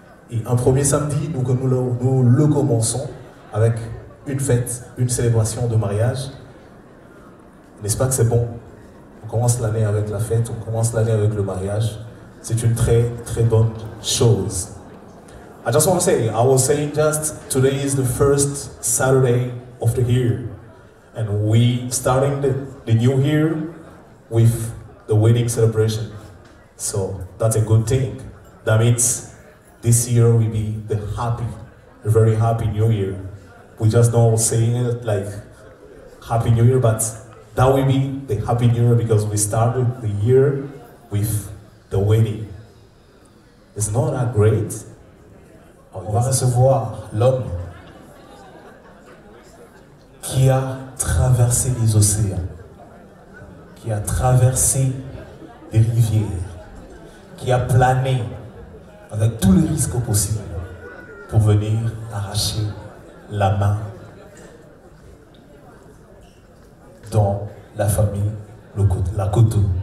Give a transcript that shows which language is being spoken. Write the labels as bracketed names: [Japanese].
[French] Et un premier samedi, donc nous le commençons avec une fête, une célébration de mariage. N'est-ce pas que c'est bon? On commence l'année avec la fête, on commence l'année avec le mariage. C'est une très, très bonne chose. [English] I just want to say, I was saying just today is the first Saturday of the year. And we starting the new year with the wedding celebration. So that's a good thing. That means this year will be the happy, a very happy new year. We just don't say it like Happy New Year, but that will be the Happy New Year because we started the year with the wedding. It's not that great. [French] On va recevoir l'homme qui a traversé les océans, qui a traversé les rivières, qui a plané avec tous les risques possibles pour venir arracher la main dans la famille Lakoto.